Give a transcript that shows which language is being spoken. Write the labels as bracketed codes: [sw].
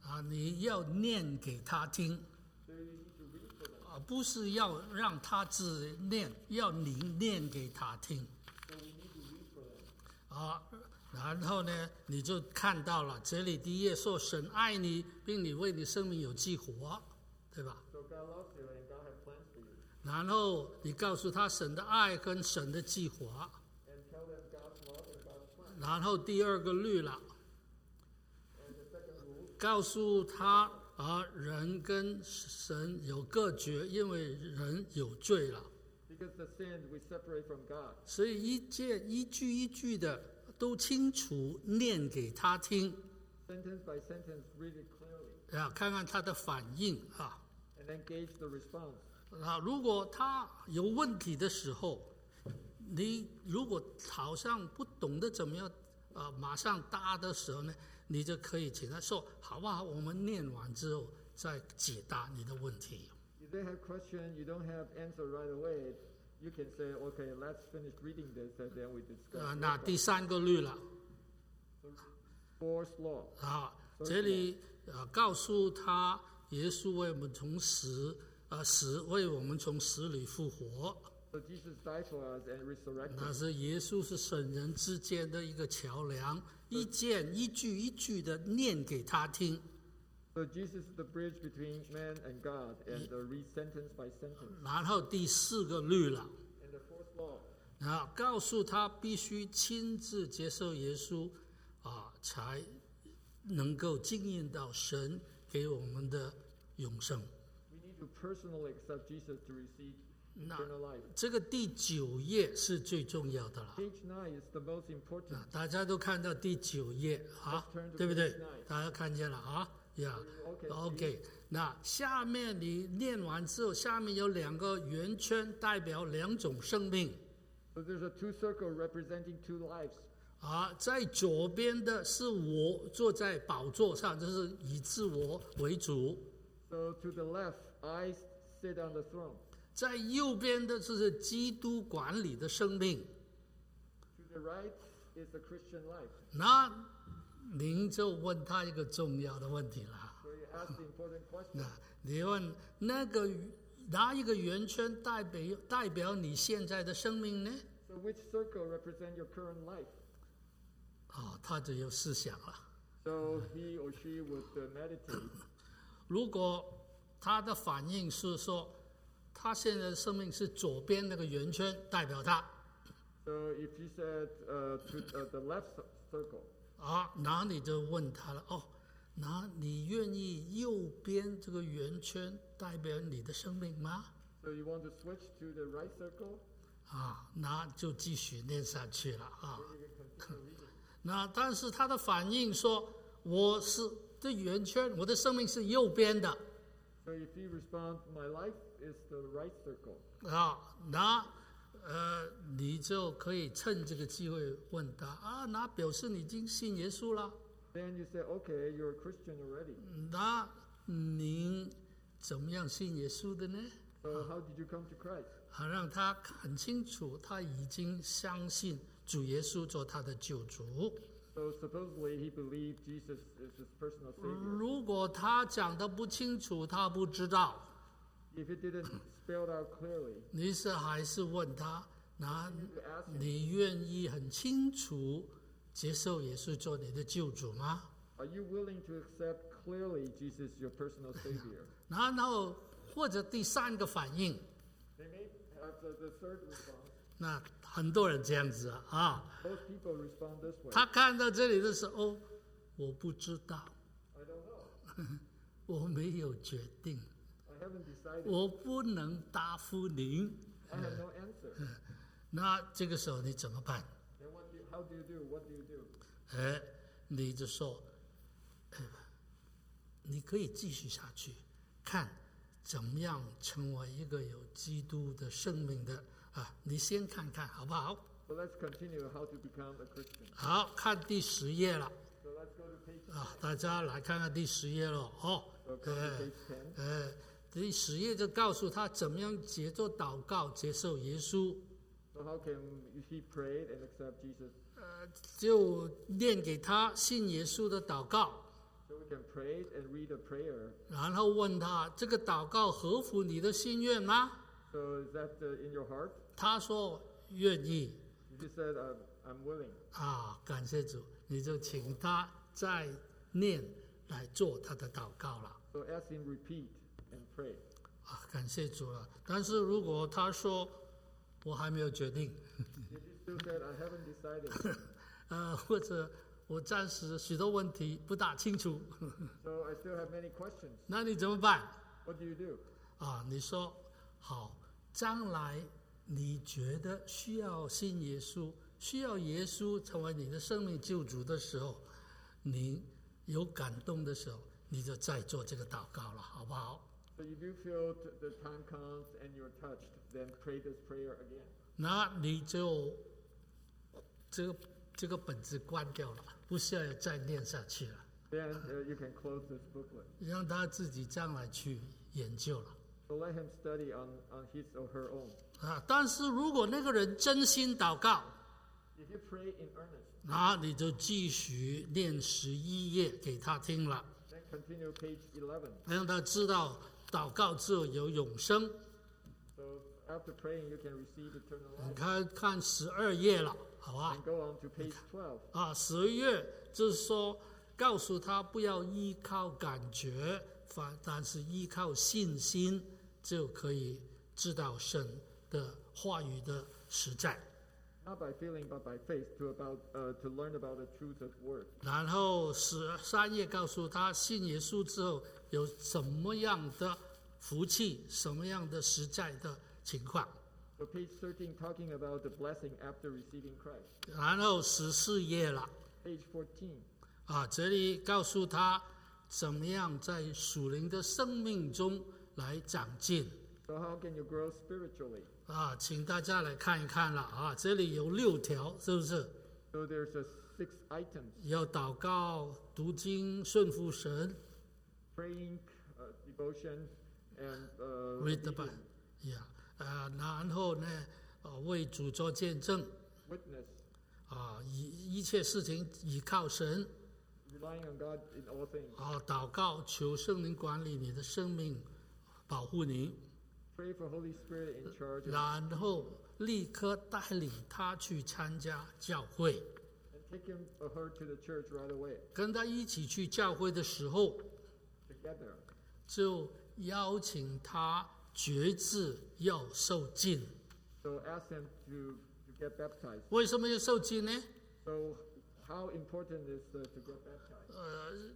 [zh] 你要念给他听。不是要让他自念，要您念给他听。然后呢，你就看到了这里第一页说神爱你，并你为你生命有计划，对吧？ [en] So、God loves you and God has plans for you. [zh] 然后你告诉他神的爱跟神的计划。 [en] And tell them God's love and God's [zh] plan. 然后第二个律了， [en] and the second, [zh] 告诉他。而人跟神有隔绝，因为人有罪了。 [en] Because the sin, we separate from God. [zh] 所以一句一句的都清楚念给他听。 [en] Sentence by sentence, read it clearly. [zh] 看看他的反应啊。 [en] And engage the response. [zh] 如果他有问题的时候，你如果好像不懂得怎么样马上答的时候呢？你就可以请他说好不好，我们念完之后再解答你的问题。 [en] If they have question, you don't have answer right away, you can say, okay, let's finish reading this and then we discuss. [zh] 那第三个律了。 [en] Fourth law. [zh] 这里告诉他耶稣为我们从死为我们从死里复活。 [en] So Jesus died for us and resurrected. [zh] 那是耶稣是神人之间的一个桥梁。一件一句一句的念给他听。 [en] So Jesus is the bridge between man and God, and the read sentence by sentence. [zh] 然后第四个律了。 [en] And the fourth law. [zh] 然后告诉他必须亲自接受耶稣，才能够经验到神给我们的永生。 [en] We need to personally accept Jesus to receive eternal life. [zh] 这个第九页是最重要的了。 [en] Page 9 is the most important. [zh] 大家都看到第九页啊，对不对？大家看见了啊 ？Yeah. [en] Okay. [zh] 那下面你念完之后，下面有两个圆圈，代表两种生命。 [en] So there's a two circle representing two lives. [zh] 在左边的是我坐在宝座上，就是以自我为主。 [en] So to the left, I sit on the throne. [zh] 在右边的就是基督管理的生命。 [en] To the right is the Christian life. [zh] 那您就问他一个重要的问题了。 [en] So you ask the important question. [zh] 你问那个哪一个圆圈代表你现在的生命呢？ [en] So which circle represent your current life? [zh] 他就有思想了。 [en] So he or she would meditate. [zh] 如果他的反应是说他现在的生命是左边那个圆圈代表他。 [en] So if you said the left circle. [zh] 那你就问他了，那你愿意右边这个圆圈代表你的生命吗？ [en] So you want to switch to the right circle? [zh] 那就继续念下去了啊。那但是他的反应说，我是这圆圈，我的生命是右边的。 [en] So if you respond, my life. Is the right circle. [zh] 你就可以趁这个机会问他那表示你已经信耶稣了。 [en] Then you say, okay, you're a Christian already. [zh] 那您怎么样信耶稣的呢？ [en] So how did you come to Christ? [zh] 好让他很清楚他已经相信主耶稣做他的救主。 [en] So supposedly he believed Jesus is his personal savior. [zh] 如果他讲得不清楚他不知道。 [en] If it didn't spell it out clearly, [zh] 你是还是问他那你愿意很清楚接受耶稣做你的救主吗？ [en] Are you willing to accept clearly Jesus your personal savior? [zh] 然后或者第三个反应。 [en] They may have the third response. [zh] 那很多人这样子 啊 [en] ，Most people respond this way. [zh] 他看到这里的时候，哦，我不知道， [en] I don't know. [zh] 我没有决定， [en] I haven't decided. [zh] 我不能答复您。 [en] I have no answer. [zh] 那这个时候你怎么办？ [en] Then what do you, how do you do? What do you do? [zh] 哎，你就说，你可以继续下去，看怎么样成为一个有基督的生命的。啊，你先看看好不好？ [en] So let's continue how to become a Christian. [zh] 好，看第十页了。 [en] So let's go to page 10. [zh] 啊，大家来看看第十页了。哦， [en] so come to page 10. [zh] 第十页就告诉他怎么样接着祷告接受耶稣。 [en] So how can he pray and accept Jesus? [zh] 就念给他信耶稣的祷告。 [en] So we can pray and read a prayer. [zh] 然后问他这个祷告合乎你的心愿吗？ [en] So is that in your heart? [zh] 他说愿意。 [en] He said, I'm willing. [zh] 啊，感谢主，你就请他再念来做他的祷告了。 [en] So ask him repeat and pray. [zh] 啊，感谢主了。但是如果他说我还没有决定， [en] If he still said I haven't decided. [zh] 或者我暂时许多问题不大清楚。 [en] So I still have many questions. [zh] 那你怎么办？ [en] What do you do? [zh] 啊，你说。好，将来你觉得需要信耶稣，需要耶稣成为你的生命救主的时候，你有感动的时候，你就再做这个祷告了，好不好？ [en] So if you feel the time comes and you're touched, then pray this prayer again. [zh] 那你就这个本子关掉了，不需要再念下去了。 [en] Then you can close this booklet. [zh] 让他自己将来去研究了。 [en] So let him study on his or her own. [zh] 啊，但是如果那个人真心祷告， [en] If you pray in earnest, [zh] 那你就继续念十一页给他听了。 [en] Then continue page 11. [zh] 让他知道祷告之后有永生。 [en] So after praying, you can receive eternal life. [zh] 你看看十二页了，好吧？ [en] And go on to page 12. [zh] 啊，十二页就是说告诉他不要依靠感觉。但是依靠信心就可以知道神的话语的实在。 [en] Not by feeling, but by faith to learn about the truth of word. [zh] 然后十三页告诉他信耶稣之后有什么样的福气，什么样的实在的情况。 [en] So page 13 talking about the blessing after receiving Christ. [zh] 然后十四页了。 [en] Page 14. [zh] 啊，这里告诉他。怎么样在属灵的生命中来长进？ [en] So how can you grow spiritually? [zh] 啊，请大家来看一看了啊，这里有六条，是不是？ [en] So there's six items. [zh] 要祷告、读经、顺服神。 [en] Praying, devotion, and read the Bible. Yeah. [zh] 然后呢，为主做见证。 [en] Witness. [zh] 啊，一切事情倚靠神。 [en] Relying on God in all things. [zh] 啊，祷告求圣灵管理你的生命，保护你。 [en] Pray for Holy Spirit in charge. [zh] 然后立刻带领他去参加教会。 [en] And take him or her to the church right away. [zh] 跟他一起去教会的时候 [en] ，together， [zh] 就邀请他决志要受浸。 [en] So ask him to get baptized. [zh] 为什么要受浸呢 [en] ？So How important is to get baptized?